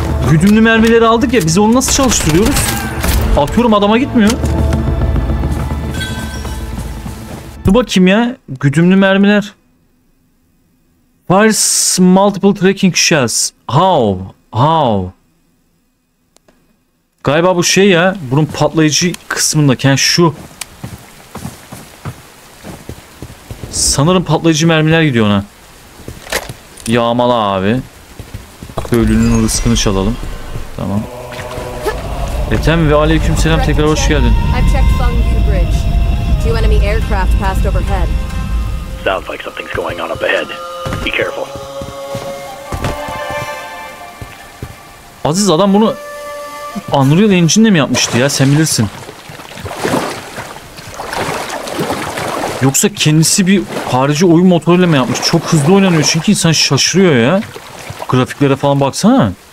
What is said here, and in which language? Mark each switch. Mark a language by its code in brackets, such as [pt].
[tr] Güdümlü mermileri aldık ya, biz onu nasıl çalıştırıyoruz? Atıyorum adama gitmiyor. Dur bakayım ya, güdümlü mermiler. [en] Fires multiple tracking shells. How? How? [tr] Galiba bu şey ya, bunun patlayıcı kısmında, yani şu. Sanırım patlayıcı mermiler gidiyor ona. Yağmala abi. Köylünün rızkını çalalım. Tamam. Etem ve aleykümselam, tekrar hoş geldin. [en] I've checked Fengyu Bridge. Two enemy aircraft passed overhead. Sounds like something's going on up ahead. Be careful. [tr] Aziz, adam bunu Unreal Engine'le mi yapmıştı ya, sen bilirsin. Yoksa kendisi bir harici oyun motoruyla mı yapmış? Çok hızlı oynanıyor çünkü insan şaşırıyor ya. Grafiklere falan baksana.